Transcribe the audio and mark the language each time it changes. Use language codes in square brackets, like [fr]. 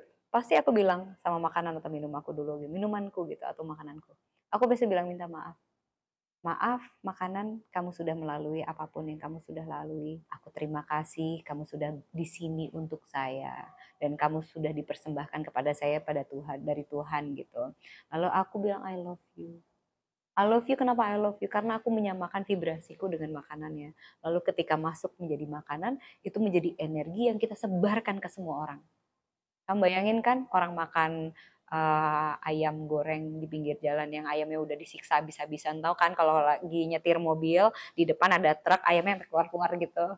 [id] Pasti aku bilang sama makanan atau minum aku dulu, minumanku gitu atau makananku. Aku biasa bilang minta maaf. Maaf, makanan, kamu sudah melalui apapun yang kamu sudah lalui. Aku terima kasih kamu sudah di sini untuk saya. Dan kamu sudah dipersembahkan kepada saya pada Tuhan, dari Tuhan gitu. Lalu aku bilang [en] I love you. I love you, [id] kenapa [en] I love you? [id] Karena aku menyamakan vibrasiku dengan makanannya. Lalu ketika masuk menjadi makanan, itu menjadi energi yang kita sebarkan ke semua orang. Kamu bayangin kan orang makan ayam goreng di pinggir jalan yang ayamnya udah disiksa abis-abisan. Tau kan kalau lagi nyetir mobil, di depan ada truk ayamnya keluar-keluar gitu.